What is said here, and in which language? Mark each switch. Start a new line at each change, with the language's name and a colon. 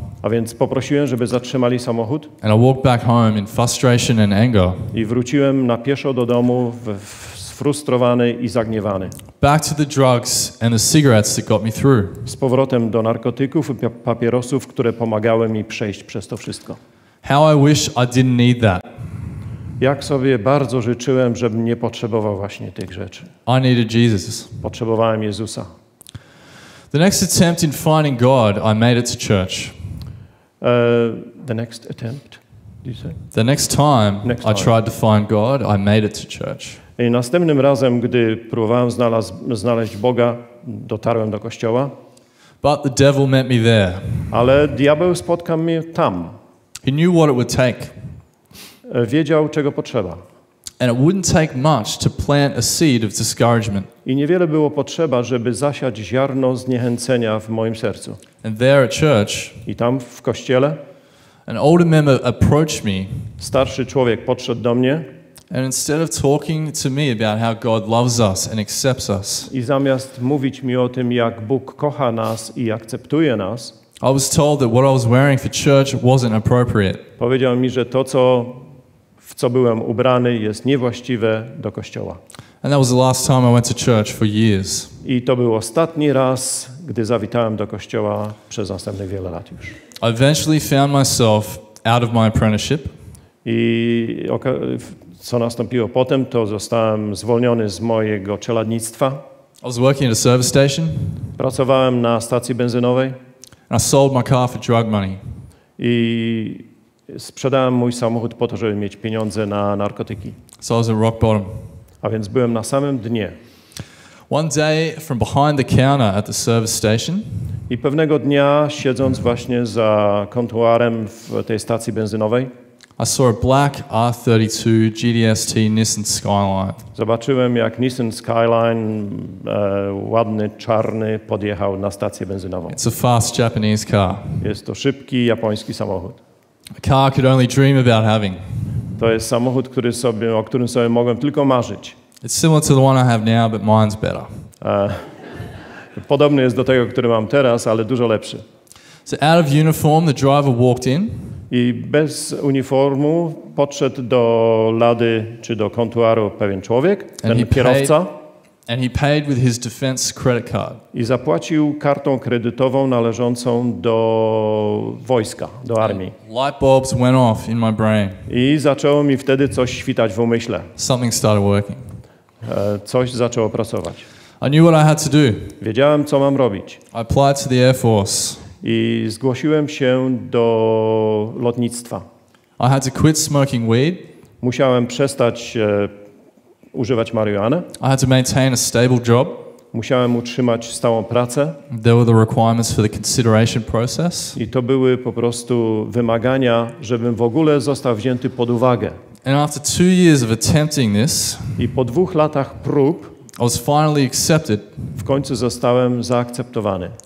Polish: A więc poprosiłem, żeby zatrzymali samochód.
English: And I walked back home in frustration and anger.
Polish: I wróciłem na pieszo do domu sfrustrowany i zagniewany.
English: Back to the drugs and the cigarettes that got me through.
Polish: Z powrotem do narkotyków i papierosów, które pomagały mi przejść przez to wszystko.
English: How I wish I didn't need that.
Polish: Jak sobie bardzo życzyłem, żebym nie potrzebował właśnie tych rzeczy.
English: I needed Jesus.
Polish: Potrzebowałem Jezusa.
English: The next attempt in finding God, I made it to church. The next attempt, did you say? The next time, I tried to find God, I made it to church.
Polish: I następnym razem, gdy próbowałem znaleźć Boga, dotarłem do kościoła.
English: But the devil met me there.
Polish: Ale diabeł spotkał mnie tam.
English: He knew what it would take.
Polish: Wiedział, czego potrzeba.
English: And it wouldn't take much to plant a seed of discouragement.
Polish: I niewiele było potrzeba, żeby zasiać ziarno zniechęcenia w moim sercu.
English: And there at church,
Polish: i tam w kościele,
English: an older member approached me.
Polish: Starszy człowiek podszedł do mnie.
English: And instead of talking to me about how God loves us and accepts us,
Polish: i zamiast mówić mi o tym, jak Bóg kocha nas i akceptuje nas,
English: I was told that what I was wearing for church wasn't appropriate.
Polish: Powiedział mi, że to, co w co byłem ubrany, jest niewłaściwe do kościoła.
English: And that was the last time I went to church for years.
Polish: I to był ostatni raz, gdy zawitałem do kościoła przez następne wiele lat już.
English: I eventually found myself out of my apprenticeship.
Polish: I co nastąpiło potem, to zostałem zwolniony z mojego czeladnictwa.
English: I was working at a service station.
Polish: Pracowałem na stacji benzynowej.
English: And I sold my car for drug money.
Polish: I sprzedałem mój samochód po to, żeby mieć pieniądze na narkotyki.
English: So I was at rock bottom.
Polish: A więc byłem na samym dnie.
English: One day from behind the counter at the service station.
Polish: I pewnego dnia, siedząc właśnie za kontuarem w tej stacji benzynowej,
English: I saw a black R32 GDST Nissan Skyline.
Polish: Zobaczyłem, jak Nissan Skyline, ładny, czarny, podjechał na stację benzynową.
English: It's a fast Japanese car.
Polish: Jest to szybki japoński samochód.
English: A car I could only dream about having.
Polish: To jest samochód, o którym sobie mogłem tylko marzyć.
English: It's similar to the one I have now, but mine's better.
Polish: Podobny jest do tego, który mam teraz, ale dużo lepszy.
English: So out of uniform, the driver walked in.
Polish: I bez uniformu podszedł do lady czy do kontuaru pewien człowiek, ten kierowca.
English: And he paid with his defense credit card.
Polish: I zapłacił kartą kredytową należącą do wojska, do armii.
English: Light bulbs went off in my brain.
Polish: I zaczęło mi wtedy coś świtać w umyśle.
English: Something started working.
Polish: Coś zaczęło pracować.
English: I knew what I had to do.
Polish: Wiedziałem, co mam robić.
English: I applied to the Air Force.
Polish: I zgłosiłem się do lotnictwa.
English: I had to quit smoking weed.
Polish: Musiałem przestać używać marihuany.
English: I had to maintain a stable job.
Polish: Musiałem utrzymać stałą pracę.
English: There were the requirements for the consideration process.
Polish: I to były po prostu wymagania, żebym w ogóle został wzięty pod uwagę.
English: And after 2 years of attempting this,
Polish: i po 2 latach prób,
English: I was finally accepted.
Polish: W końcu zostałem zaakceptowany.